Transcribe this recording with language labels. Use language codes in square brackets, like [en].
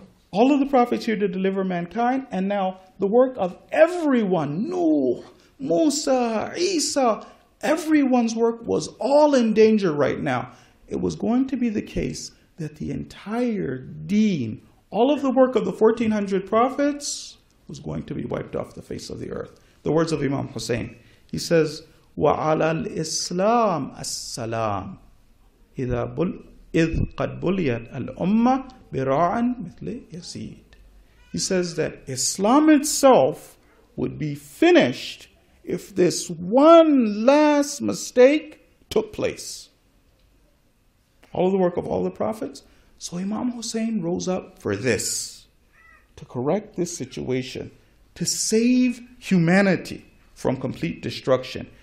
[en] All of the prophets here to deliver mankind, and now the work of everyone, Nuh, Musa, Isa, everyone's work was all in danger right now. It was going to be the case that the entire deen, all of the work of the 1400 prophets, was going to be wiped off the face of the earth. The words of Imam Hussein. [ar] He says, وَعَلَى الْإِسْلَامِ السَّلَامِ إِذْ قَدْ بُلِيَتْ الْأُمَّةِ بِرَاعًا مِثْلِ يَسِيدٍ. [en] He says that Islam itself would be finished if this one last mistake took place. All of the work of all the prophets. So Imam Hussein rose up for this, to correct this situation, to save humanity from complete destruction.